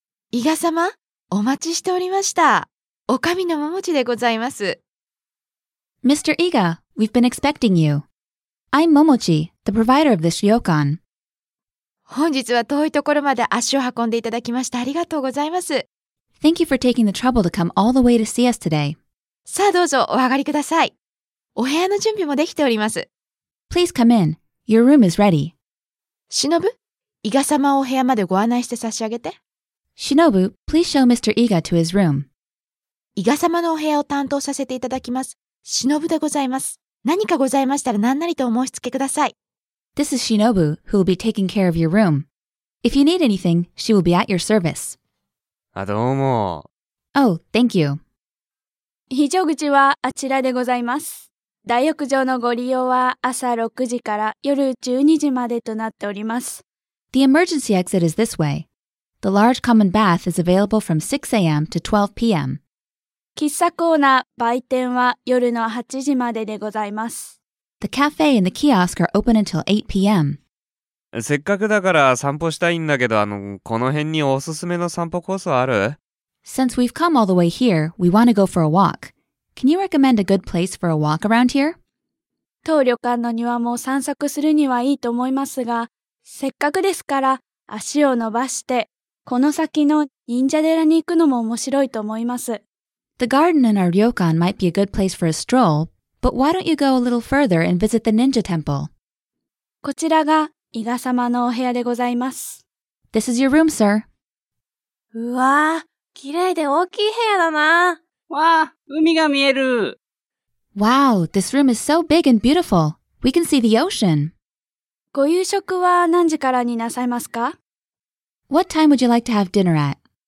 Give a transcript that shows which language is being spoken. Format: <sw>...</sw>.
<ja>伊賀様、お待ちしておりました。おかみの桃地でございます。</ja> <en>Mr. Iga, we've been expecting you. I'm Momochi, the provider of this ryokan.</en> <ja>本日は遠いところまで足を運んでいただきましてありがとうございます。</ja> <en>Thank you for taking the trouble to come all the way to see us today.</en> <ja>さあどうぞお上がりください。お部屋の準備もできております。</ja> <en>Please come in. Your room is ready.</en> <ja>忍、伊賀様をお部屋までご案内して差し上げて。</ja> <en>忍、please show Mr. Iga to his room.</en> <ja>伊賀様のお部屋を担当させていただきます。忍でございます。何かございましたら何なりとお申し付けください。</ja> <en>This is Shinobu, who will be taking care of your room. If you need anything, she will be at your service.</en> <ja>あ、どうも。</ja> <en>Oh, thank you.</en> <ja>非常口はあちらでございます。大浴場のご利用は朝6時から夜12時までとなっております。</ja> <en>The emergency exit is this way. The large common bath is available from 6 a.m. to 12 p.m.</en> <ja>喫茶コーナー、売店は夜の8時まででございます。</ja> <en>The cafe and the kiosk are open until 8 p.m.</en> <ja>せっかくだから散歩したいんだけど、この辺におすすめの散歩コースある？</ja> <en>Since we've come all the way here, we want to go for a walk. Can you recommend a good place for a walk around here?</en> <ja>当旅館の庭も散策するにはいいと思いますが、せっかくですから足を伸ばして、この先の忍者寺に行くのも面白いと思います。</ja> <en>The garden in our ryokan might be a good place for a stroll, but why don't you go a little further and visit the ninja temple?</en> <ja>こちらが伊賀様のお部屋でございます。</ja> <en>This is your room, sir.</en> <ja>うわぁ、綺麗で大きい部屋だな。わぁ、海が見える。</ja> <en>Wow, this room is so big and beautiful. We can see the ocean.</en> <ja>ご夕食は何時からになさいますか?</ja> <en>What time would you like to have dinner at?</en>